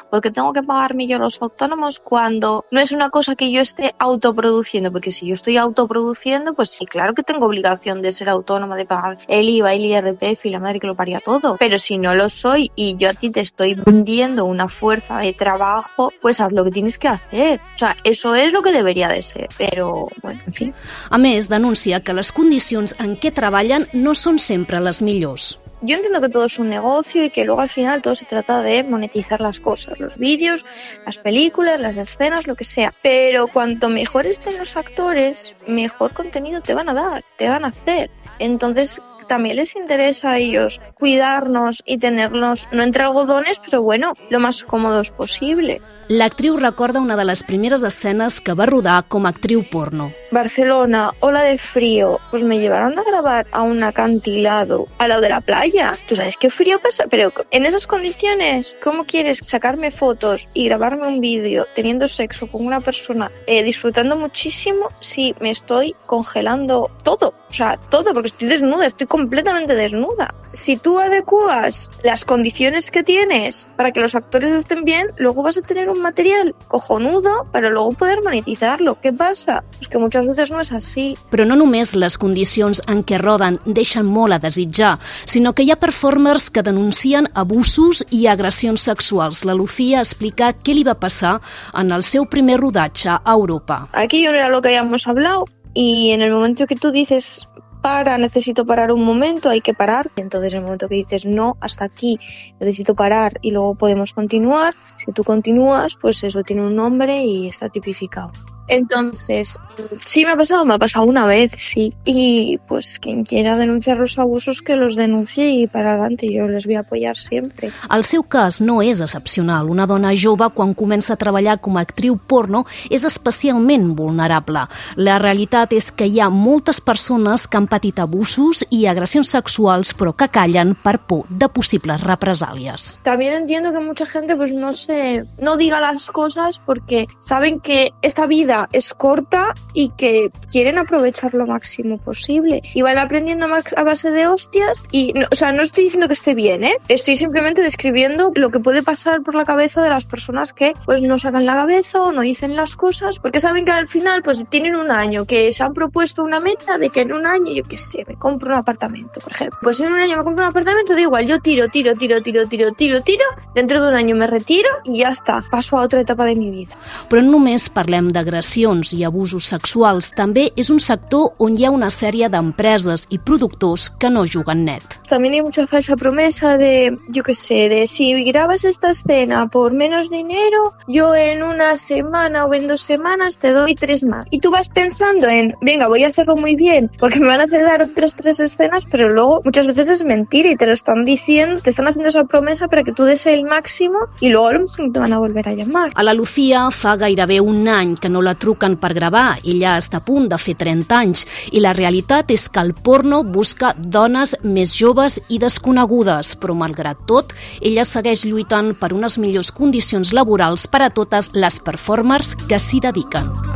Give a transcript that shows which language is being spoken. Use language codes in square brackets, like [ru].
[es] Porque tengo que pagarme yo los autónomos cuando no es una cosa que yo esté autoproduciendo, porque si yo estoy autoproduciendo, pues sí, claro que tengo obligación de ser autónoma, de pagar el IVA, el IRPF y la madre que lo paría todo. Pero si no lo soy y yo a ti te estoy vendiendo una fuerza de trabajo, pues haz lo que tienes que hacer. O sea, eso es lo que debería de ser, pero bueno, en fin. [ca] A més, denuncia que les condicions en què treballen no són sempre les millors. [es] Yo entiendo que todo es un negocio y que luego al final todo se trata de monetizar las cosas, los vídeos, las películas, las escenas, lo que sea. Pero cuanto mejor estén los actores, mejor contenido te van a dar, te van a hacer. Entonces también les interesa a ellos cuidarnos y tenernos, no entre algodones, pero bueno, lo más cómodos posible. [ca] L'actriu recorda una de les primeres escenes que va rodar com a actriu porno. [es] Barcelona, ola de frío, pues me llevaron a grabar a un acantilado al lado de la playa. ¿Tú sabes qué frío pasa? Pero en esas condiciones, ¿cómo quieres sacarme fotos y grabarme un vídeo teniendo sexo con una persona disfrutando muchísimo si me estoy congelando todo? O sea, todo, porque estoy desnuda, estoy completamente desnuda. Si tú adecuas las condiciones que tienes para que los actores estén bien, luego vas a tener un material cojonudo para luego poder monetizarlo. ¿Qué pasa? Pues que muchas veces no es así. [ca] Però no només les condicions en què roden deixen molt a desitjar, sinó que hi ha performers que denuncien abusos i agressions sexuals. La Lucía explica què li va passar en el seu primer rodatge a Europa. [es] Aquí no era lo que habíamos hablado. Y en el momento que tú dices, para, necesito parar un momento, hay que parar. Y entonces en el momento que dices, no, hasta aquí, necesito parar y luego podemos continuar. Si tú continúas, pues eso tiene un nombre y está tipificado. Entonces, sí me ha pasado una vez, sí. Y pues quien quiera denunciar los abusos, que los denuncie y para adelante, yo les voy a apoyar siempre. [ca] El seu cas no és excepcional. Una dona jove, quan comença a treballar com a actriu porno, és especialment vulnerable. La realitat és que hi ha moltes persones que han patit abusos i agressions sexuals, però que callen per por de possibles represàlies. [es] También entiendo que mucha gente pues no diga las cosas porque saben que esta vida es corta y que quieren aprovechar lo máximo posible y van aprendiendo a base de hostias y, no, o sea, no estoy diciendo que esté bien, ¿eh? Estoy simplemente describiendo lo que puede pasar por la cabeza de las personas que pues no sacan la cabeza o no dicen las cosas porque saben que al final pues tienen un año, que se han propuesto una meta de que en un año, yo qué sé, me compro un apartamento, por ejemplo. Pues en un año me compro un apartamento, da igual, yo tiro, dentro de un año me retiro y ya está, paso a otra etapa de mi vida. [ca] Però només parlem de agressions i abusos sexuals també és un sector on hi ha una sèrie d'empreses i productors que no juguen net. També hi ha [es] mucha falsa promesa de, yo qué sé, de si grabas esta escena por menos dinero, yo en una semana o en dos semanas te doy tres más. Y tú vas pensando en, venga, voy a hacerlo muy bien, porque me van a hacer dar otras tres escenas, pero luego muchas veces es mentira y te lo están diciendo, te están haciendo esa promesa para que tú des el máximo y luego a lo mejor te van a volver a llamar. [ca] A la Lucía fa gairebé un any que no la truquen per gravar. Ella està a punt de fer 30 anys i la realitat és que el porno busca dones més joves i desconegudes, però malgrat tot, ella segueix lluitant per unes millors condicions laborals per a totes les performers que s'hi dediquen.